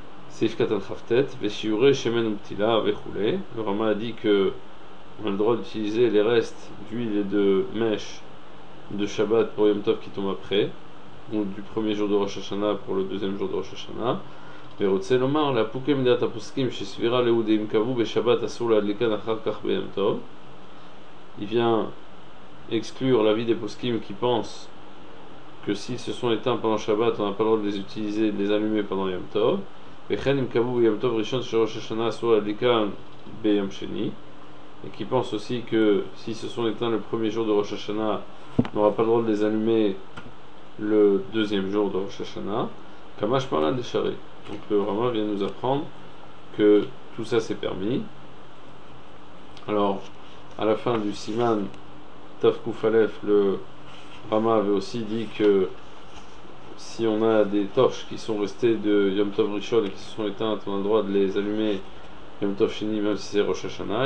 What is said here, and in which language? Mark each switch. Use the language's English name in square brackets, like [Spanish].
[Hebrew] Sif Katan Chavtet, Veshiure Shemen Uptila Vechoulé. [French] Le Rama a dit que on a le droit d'utiliser les restes d'huile et de mèche de Shabbat pour Yom Tov qui tombe après, ou du premier jour de Rosh Hashanah pour le deuxième jour de Rosh Hashanah. [Hebrew] ורוצה לומר להפוקי מדעת הפוסקים שסבירה ליהודים קבעו בשבת אסור להדליקן אחר כך ביום טוב. [French] Il vient exclure l'avis des poskim qui pensent que s'ils se sont éteints pendant Shabbat, on n'a pas le droit de les utiliser, de les allumer pendant Yom Tov. [Hebrew] וכן אם קבעו ביום טוב ראשון של ראש השנה אסור להדליקן ביום שני. [French] Et qui pensent aussi que s'ils se sont éteints le premier jour de Rosh Hashanah, on n'aura pas le droit de les allumer le deuxième jour de Rosh Hashanah. Kamash parla de Sharé. Donc le Rama vient nous apprendre que tout ça c'est permis. Alors, à la fin du Siman Tavkouf Aleph, le Rama avait aussi dit que si on a des torches qui sont restées de Yom Tov Rishon et qui se sont éteintes, on a le droit de les allumer Yom Tov Sheni, même si c'est Rosh Hashanah.